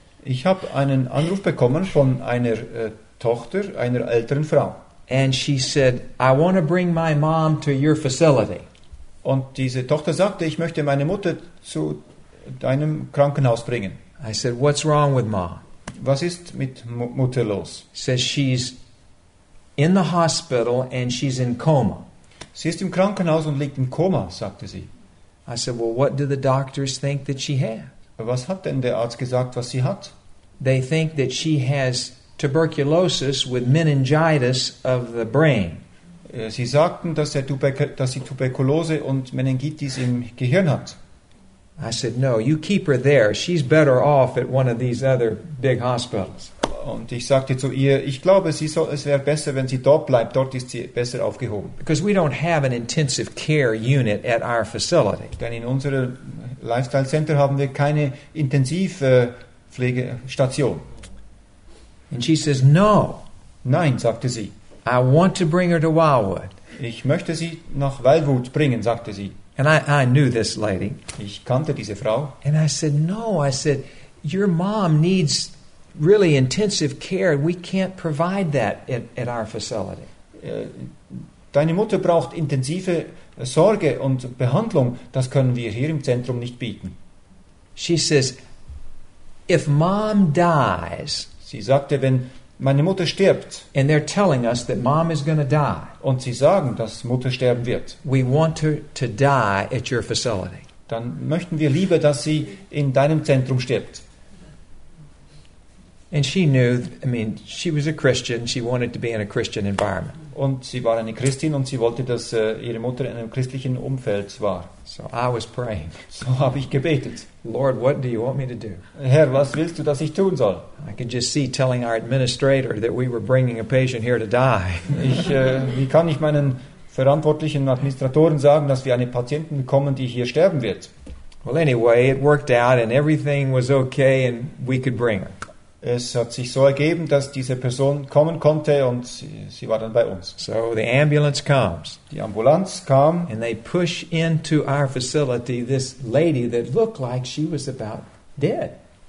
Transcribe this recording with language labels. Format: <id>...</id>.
<de>Ich habe einen Anruf bekommen von einer Tochter einer älteren Frau.</de> <en>And she said, "I want to bring my mom to your facility."</en> <de>Und diese Tochter sagte, ich möchte meine Mutter zu deinem Krankenhaus bringen.</de> <en>I said, "What's wrong with mom?"</en> <de>Was ist mit Mutter los?</de> <en>Says she's in the hospital and she's in coma.</en> <de>Sie ist im Krankenhaus und liegt im Koma, sagte sie.</de> <en>I said, "Well, what do the doctors think that she has?"</en> <de>Was hat denn der Arzt gesagt, was sie hat?</de> <en>They think that she has tuberculosis with meningitis of the brain.</en> <de>Sie sagten, dass sie Tuberkulose und Meningitis im Gehirn hat.</de> <en>I said, "No, you keep her there. She's better off at one of these other big hospitals."</en> <de>Und ich sagte zu ihr, ich glaube, es wäre besser, wenn sie dort bleibt. Dort ist sie besser aufgehoben.</de> <en>Because we don't have an intensive care unit at our facility.</en> <de>Denn in unserem Lifestyle Center haben wir keine intensive Pflegestation.</de> <en>And she says, "No."</en> <de>Nein, sagte sie.</de> <en>"I want to bring her to Wildwood."</en> <de>Ich möchte sie nach Wildwood bringen, sagte sie.</de> <en>And I knew this lady.</en> <de>Ich kannte diese Frau.</de> <en>And I said, "No." I said, "Your mom needs really intensive care. We can't provide that at our facility."</en> <de>Deine Mutter braucht intensive Sorge und Behandlung. Das können wir hier im Zentrum nicht bieten.</de> <en>She says, "If mom dies."</en> <de>Sie sagte, wenn meine Mutter stirbt.</de> <en>And they're telling us that mom is going to die.</en> <de>Und sie sagen, dass Mutter sterben wird.</de> <en>We want her to die at your facility.</en> <de>Dann möchten wir lieber, dass sie in deinem Zentrum stirbt.</de> <en>And she knew, I mean, she was a Christian. She wanted to be in a Christian environment.</en> <de>Und sie war eine Christin und sie wollte, dass ihre Mutter in einem christlichen Umfeld war.</de> <en>So I was praying.</en> <de>So habe ich gebetet.</de> <en>"Lord, what do you want me to do?"</en> <de>Herr, was willst du, dass ich tun soll?</de> <en>I could just see telling our administrator that we were bringing a patient here to die.</en> <de>Wie kann ich meinen verantwortlichen Administratoren sagen, dass wir eine Patientin bekommen, die hier sterben wird?</de> <en>Well, anyway, it worked out and everything was okay and we could bring her.</en> <de>Es hat sich so ergeben, dass diese Person kommen konnte und sie war dann bei uns.</de> <en>So the ambulance comes.</en> <de>Die Ambulanz kam.</de> <en>And they push into our facility this lady that looked like she was about dead.</en>